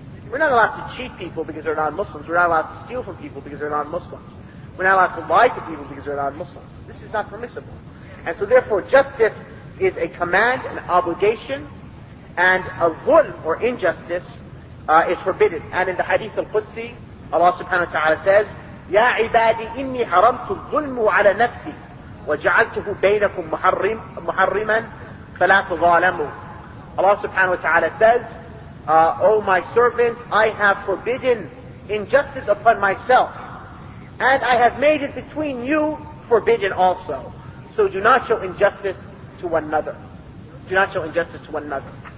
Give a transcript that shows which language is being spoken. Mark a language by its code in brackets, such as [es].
[en] We're not allowed to cheat people because they're non-Muslims. We're not allowed to steal from people because they're non-Muslims. We're not allowed to lie to people because they're non-Muslims. This is not permissible. And so therefore, justice is a command, an obligation, and a zulm or injustice is forbidden. And in the Hadith al-Qudsi, Allah subhanahu wa ta'ala says, [ar] يَا عِبَادِي إِنِّي حَرَمْتُ الظُّلْمُ عَلَى نَفْسِي وَجَعَلْتُهُ بَيْنَكُمْ مُحَرِّمًا فَلَا تُظَالَمُوا. [en] Allah subhanahu wa ta'ala says, O my servant, I have forbidden injustice upon myself, and I have made it between you forbidden also. So do not show injustice to one another. Do not show injustice to one another.